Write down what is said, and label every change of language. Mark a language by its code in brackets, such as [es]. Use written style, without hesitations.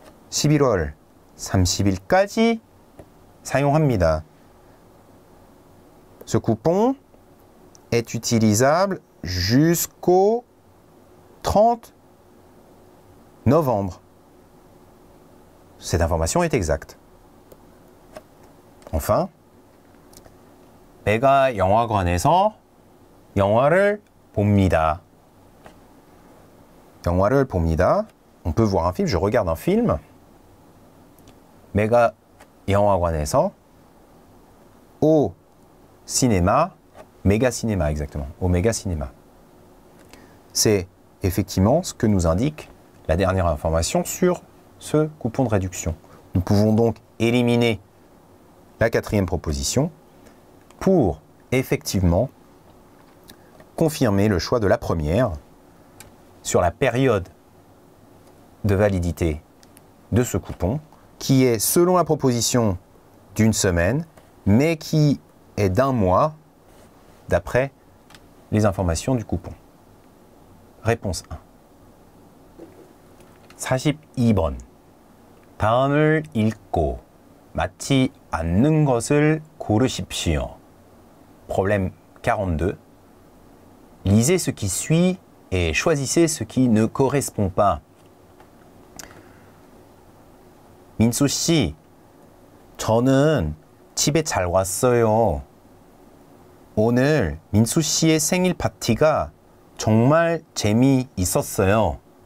[ko] 11월 30일까지 사용합니다. [fr] Ce coupon est utilisable jusqu'au 30 novembre. Cette information est exacte. Enfin, [ko] 내가 영화관에서 영화를 봅니다. 영화를 봅니다. [fr] On peut voir un film, je regarde un film. [ko] 내가 영화관에서 [fr] au cinéma, méga cinéma exactement, au méga cinéma. C'est effectivement ce que nous indique la dernière information sur ce coupon de réduction. Nous pouvons donc éliminer la quatrième proposition pour effectivement confirmer le choix de la première sur la période de validité de ce coupon, qui est selon la proposition d'une semaine, mais qui est d'un mois d'après les informations du coupon. Réponse 1. [ko] 42번. 다음을 읽고 맞지 않는 것을 고르십시오. [fr] Problème 42. Lisez ce qui suit et choisissez ce qui ne correspond pas. [ko] Minsu 씨, 저는 집에 잘 왔어요. 오늘 민수 씨의 생일 파티가 정말 재미있었어요.